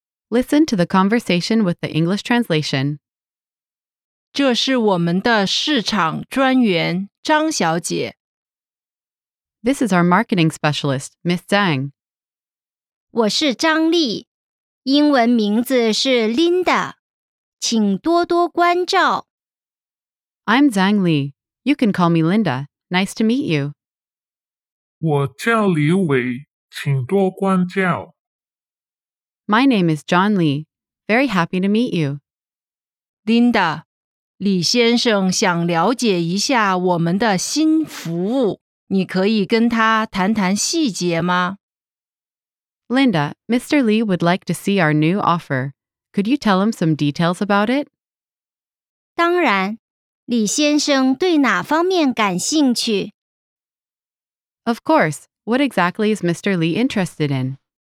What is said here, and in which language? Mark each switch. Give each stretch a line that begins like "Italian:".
English: Listen to the conversation with the English translation.
Chinese: 这是我们的市场专员张小姐。
English: This is our marketing specialist, Miss Zhang.
Chinese: 我是张丽，英文名字是 Linda, 请多多关照。
English: I'm Zhang Li, you can call me Linda, nice to meet you.
Chinese: 我叫李伟，请多关照。
English: My name is John Li, very happy to meet you. Linda.
Chinese: 李先生想了解一下我们的新服务，你可以跟他谈谈细节吗？
English: Linda, Mr. Li would like to see our new offer. Could you tell him some details about it?
Chinese: 当然，李先生对哪方面感兴趣？
English: Of course, what exactly is Mr. Li interested in?